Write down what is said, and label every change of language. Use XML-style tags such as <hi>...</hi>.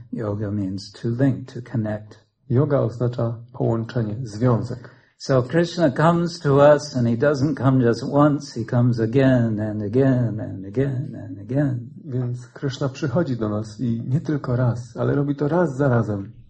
<en>Yoga means to link, to connect.</en> <pl>Yoga oznacza połączenie, związek.</pl> <en>So Krishna comes to us and he doesn't come just once, he comes again and again and again and again.</en> <pl>Więc Krishna przychodzi do nas i nie tylko raz, ale robi to raz za razem.</pl>